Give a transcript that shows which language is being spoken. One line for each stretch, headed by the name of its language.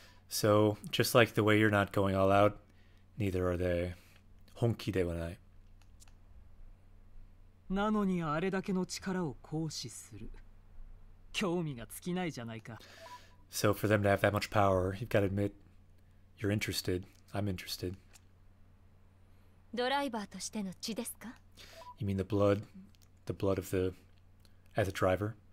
English: So, just like the way you're not going all out, neither are they.
Japanese: 本気ではない。なのにあれだけの力を行使する。興味が尽きないじゃないか。
English: So for them to have that much power, you've got to admit, you're interested. I'm interested.
Japanese: ドライバーとしての血ですか?
English: You mean the blood of the as a driver?